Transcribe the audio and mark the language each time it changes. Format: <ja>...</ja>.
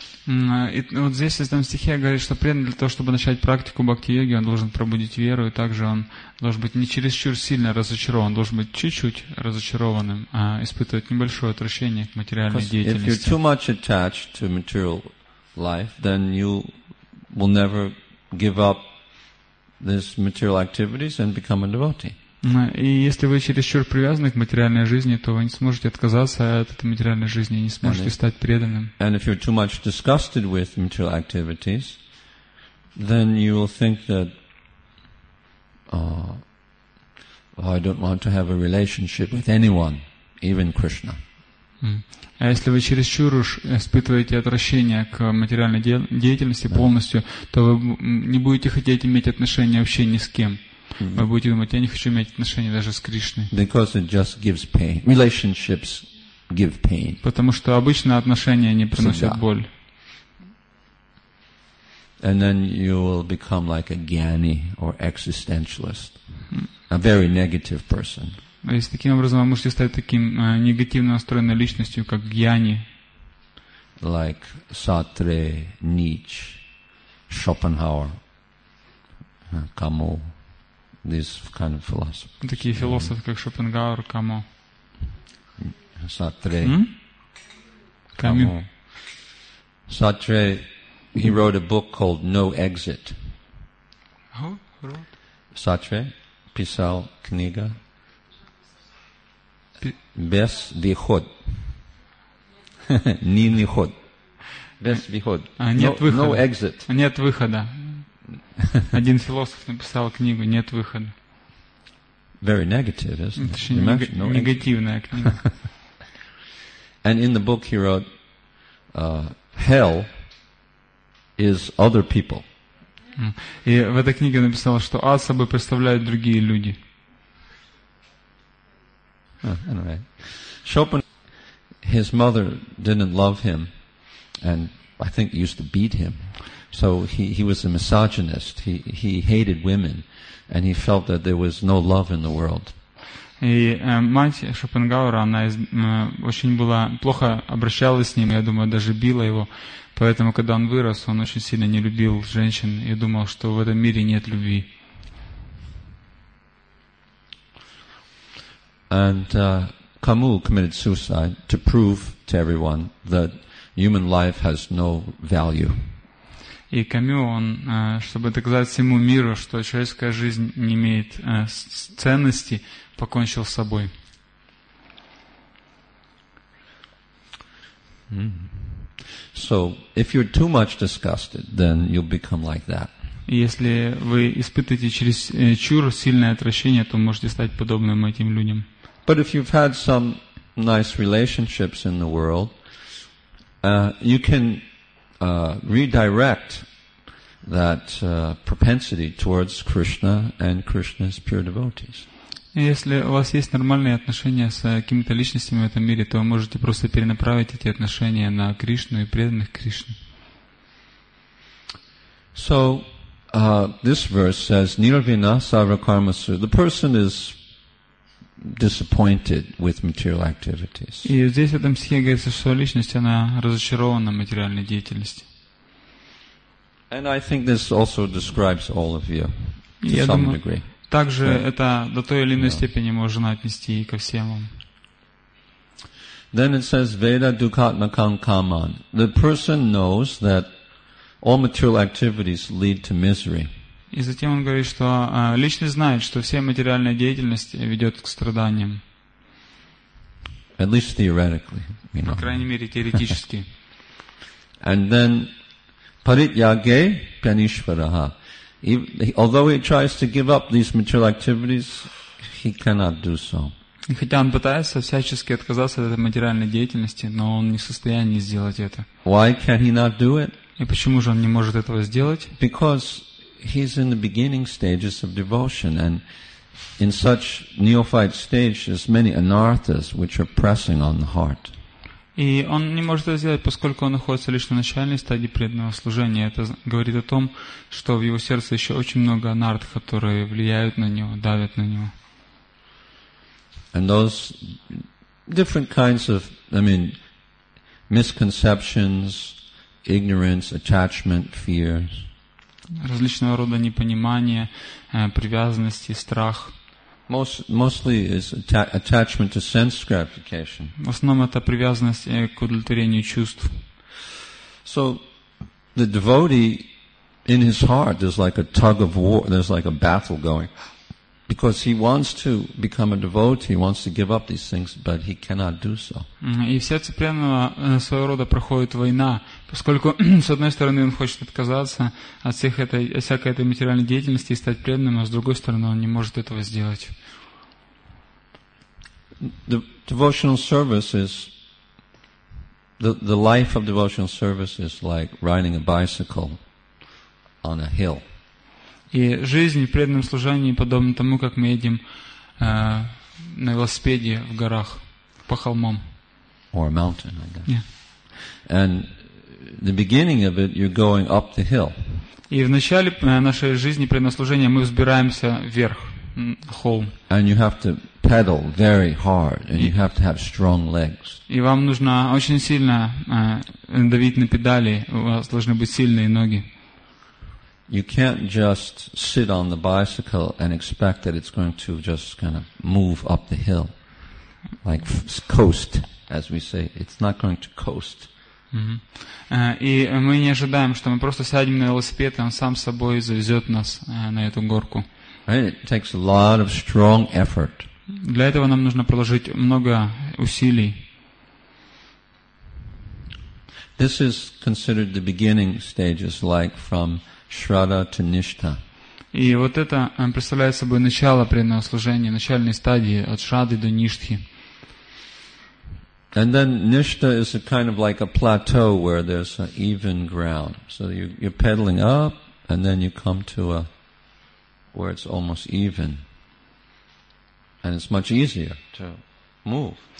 <ru>Вот здесь в этом стихе говорит, что преданный для того, чтобы начать практику бхакти-йоги, он должен пробудить веру, и также он должен быть не чересчур сильно разочарован, должен быть чуть-чуть разочарованным, а испытывать небольшое отвращение к материальной деятельности.</ru> <en>Because if you're too much attached to material life, then you will never give up this material activities and become a devotee.</en> <ru>И если вы чересчур привязаны к материальной жизни, то вы не сможете отказаться от этой материальной жизни и не сможете стать преданным.</ru> <en>And if you're too much disgusted with material activities, then you will think that I don't want to have a relationship with anyone, even Krishna.</en> <ru>А если вы чересчур уж испытываете отвращение к материальной деятельности полностью, то вы не будете хотеть иметь отношения вообще ни с кем. Вы будете думать, я не хочу иметь отношения даже с Кришной.</ru> <en>Because it just gives pain. Relationships give pain.</en> <ru>Потому что обычно отношения не приносят боль.</ru> <en>And then you will become like a gyani or existentialist, a very negative person.</en> <ru>И таким образом вы можете стать таким негативно настроенной личностью, как гьяни.</ru> <en>Like Сартре, Ницше, Шопенгауэр, Камю. This kind of philosophy.</en> <ru>Такие философы, как Шопенгауэр, Камю. Сартре. Камю.</ru> <en>Сартре, he wrote a book called No Exit. Who wrote?</en> <ru>Сартре писал книга Без выход. Ни выход. Без выход. Нет выхода.</ru> <en>No exit.</en> <ru>Нет выхода. Один философ написал книгу «Нет выхода».</ru> <en>Very negative, isn't it?</en> <ru>Очень негативная книга.</ru> <en>And in the book he wrote, hell is other people.</en> <ru>И в этой книге написал, что ад собой представляют другие люди.</ru> <en>Anyway, Chopin, his mother didn't love him, and I think used to beat him. So he was a misogynist. He hated women, and he felt that there was no love in the world.</en> <ru>И мать Шопенгауэра, она очень была плохо обращалась с ним, я думаю, даже била его. Поэтому, когда он вырос, он очень сильно не любил женщин и думал, что в этом мире нет любви.</ru> <en>And Camus committed suicide to prove to everyone that human life has no value.</en> <ru>И Камю, он, чтобы доказать всему миру, что человеческая жизнь не имеет ценности, покончил с собой.</ru> <en>So, if you're too much disgusted, then you'll become like that.</en> <ru>Если вы испытываете через чур сильное отвращение, то можете стать подобным этим людям.</ru> <en>But if you've had some nice relationships in the world, you can redirect that propensity towards Krishna and Krishna's pure devotees.</en> <ru>Если у вас есть нормальные отношения с какими-то личностями в этом мире, то вы можете просто перенаправить эти отношения на Кришну и преданных Кришне.</ru> <en>So, this verse says,</en> <sa>Nirvina Sarva Karmasu.</sa> <en>The person is disappointed with material activities.</en> <ru>И здесь в этом стихе говорится, что личность, она разочарована материальной деятельностью.</ru> <en>And I think this also describes all of you to some degree.</en> <ru>Также это до той или иной степени можно отнести и ко всем вам.</ru> <en>Then it says</en> <sa>Veda Dukhatmakam Kaman.</sa> <en>The person knows that all material activities lead to misery.</en> <ru>И затем он говорит, что личность знает, что вся материальная деятельность ведет к страданиям.</ru> <en>At least theoretically,</en> <ru>по крайней мере, теоретически.</ru> <en>And then</en> <sa>Parityage Pyanishvaraha.</sa> <en>Although he tries to give up these material activities, he cannot do so.</en> <ru>И хотя он пытается всячески отказаться от этой материальной деятельности, но он не в состоянии сделать это.</ru> <en>Why can he not do it?</en> <ru>И почему же он не может этого сделать?</ru> <en>Because he's in the beginning stages of devotion, and in such neophyte stage, there's many anarthas which are pressing on the heart.</en> <ru>И он не может это сделать, поскольку он находится лишь на начальной стадии преданного служения. Это говорит о том, что в его сердце еще очень много анартх, которые влияют на него, давят на него.</ru> <en>And those different kinds of, I mean, misconceptions, ignorance, attachment, fears.</en> <ru>Различного рода непонимания, привязанности, страх.</ru> <en>Mostly is attachment to sense gratification.</en> <ru>В основном это привязанность к удовлетворению чувств.</ru> <en>So the devotee in his heart there's like a tug of war, there's like a battle going, because he wants to become a devotee, he wants to give up these things, but he cannot do so.</en> <ru>И в сердце преданного своего рода проходит война, поскольку с одной стороны он хочет отказаться от всех этой всякой этой материальной деятельности и стать преданным, а с другой стороны он не может этого сделать.</ru> <en>The devotional service is the life of devotional service is like riding a bicycle on a hill.</en> <ru>И жизнь в преданном служении подобна тому, как мы едем на велосипеде в горах, по холмам.</ru> <en>Or a mountain, I guess. Yeah. And the beginning of it, you're going up the hill.</en> <ru>И в начале нашей жизни преданного служения мы взбираемся вверх, холм.</ru> <en>And you have to pedal very hard, and you have to have strong legs.</en> <ru>И вам нужно очень сильно давить на педали, у вас должны быть сильные ноги.</ru> <en>You can't just sit on the bicycle and expect that it's going to just kind of move up the hill, like coast. as we say. It's not going to coast.</en> <ru>И мы не ожидаем, что мы просто сядем на велосипед, и он сам собой завезет нас на эту горку.</ru> <en>It takes a lot of strong effort.</en> <ru>Для этого нам нужно приложить много усилий.</ru> <en>This is considered the beginning stages, like from Shraddha to Nishtha.</en> <ru>И вот это представляет собой начало преданного служения, начальные стадии от Шрадды до Ништхи.</ru> <en>And then Nishtha is a kind of like a plateau where there's an even ground. So you're pedaling up, and then you come to a where it's almost even, and it's much easier to move.</en>